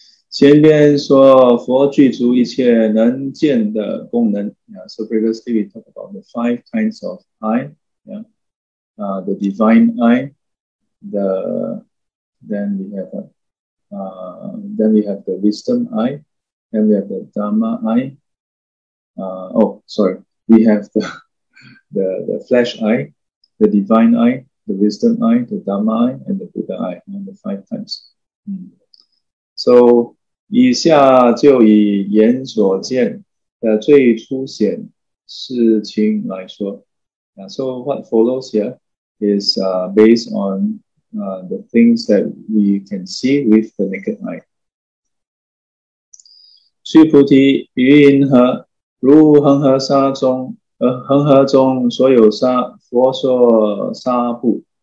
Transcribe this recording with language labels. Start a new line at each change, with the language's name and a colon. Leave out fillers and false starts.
Chinese: 前边说佛具足一切能见的功能.
English: Yeah, so previously we talked about the five kinds of eye. Yeah, the divine eye. Then we have the wisdom eye. Then we have the dharma eye. We have the flesh eye. The divine eye, the wisdom eye, the dharma eye, and the buddha eye, and the five times.
Chinese: So, 以下就以眼所见的最初显事情来说.
English: So, what follows here is based on the things that we can see with the naked eye.
Chinese: 须菩提，云何如恒河沙中？恒河中所有沙，佛说沙不。